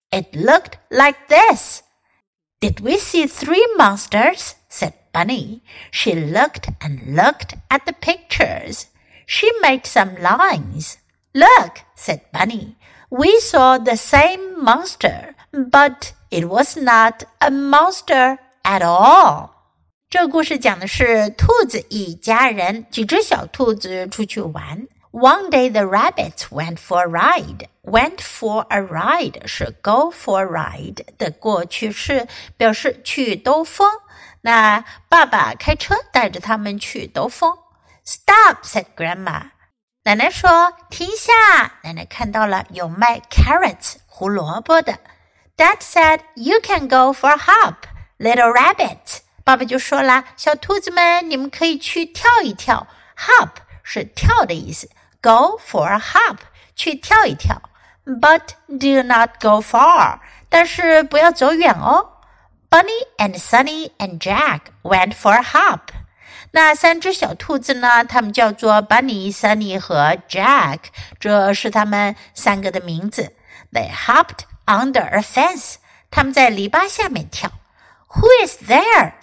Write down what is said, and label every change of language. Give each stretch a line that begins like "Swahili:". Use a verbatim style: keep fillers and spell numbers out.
English: It looked like this. Did we see three monsters? Said Bunny. She looked and looked at the pictures. She made some lines. Look, said Bunny. We saw the same monster, but it was not a monster at all.
Chinese: 这故事讲的是兔子一家人，几只小兔子出去玩。
English: One day the rabbits went for a ride.
Chinese: Went for a ride 是 go for a ride 的过去式，表示去兜风。那爸爸开车带着他们去兜风。
English: Stop, said Grandma.
Chinese: 奶奶说停下。奶奶看到了有卖 carrots 胡萝卜的。
English: Dad said, you can go for a hop, little rabbit.
Chinese: 爸爸就说了，小兔子们，你们可以去跳一跳。
English: Hop
Chinese: 是跳的意思。
English: Go for a hop,
Chinese: 去跳一跳
English: But do not go far,
Chinese: 但是不要走远哦
English: Bunny and Sunny and Jack went for a hop
Chinese: 那三只小兔子呢，他们叫做
English: Bunny, Sunny 和 Jack
Chinese: 这是他们三个的名字
English: They hopped under a fence
Chinese: 他们在篱笆下面跳
English: Who is there?